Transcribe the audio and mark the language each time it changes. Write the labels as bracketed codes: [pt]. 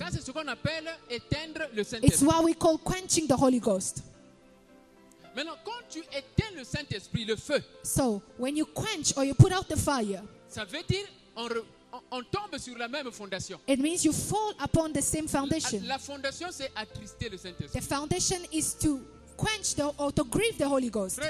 [fr] Ça, c'est ce qu'on appelle éteindre le Saint-Esprit. [en] It's what we call quenching the Holy Ghost. [fr] Maintenant, quand tu éteins le Saint-Esprit, le feu, [en] so, when you quench or you put out the fire, [fr] ça veut dire on tombe sur la même fondation. [en] It means you fall upon the same foundation. [fr] La fondation, c'est attrister le Saint-Esprit. [en] The foundation is to quench the, or to grieve the Holy Ghost.